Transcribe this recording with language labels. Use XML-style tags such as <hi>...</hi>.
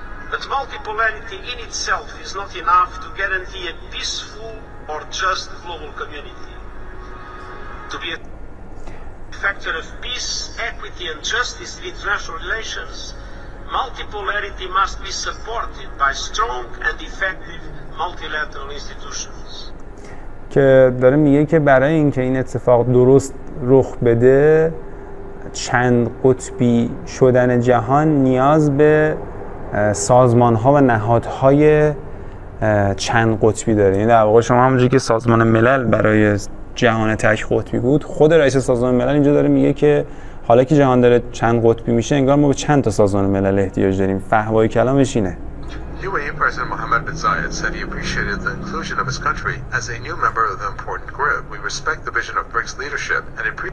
<en>But multipolarity in itself is not enough to guarantee a peaceful or just global community. To be a factor of peace, equity and justice in international relations, multipolarity must be supported by strong and effective multilateral institutions.</en> <fa>که داره میگه که برای اینکه این اتفاق درست رخ بده، چند قطبی شدن جهان نیاز به سازمان‌ها و نهادهای چند قطبی داره. یعنی در واقع شما همونجوری که سازمان ملل برای جهان تک قطبی بود، خود رئیس سازمان ملل اینجا داره میگه که حالا که جهان داره چند قطبی میشه، انگار ما به چند تا سازمان ملل احتیاج داریم. فهوای کلامش اینه.</fa> <en>UAE President Mohammed bin Zayed said he appreciated the inclusion of his country as a new member of the important group. We respect the vision of BRICS leadership and</en>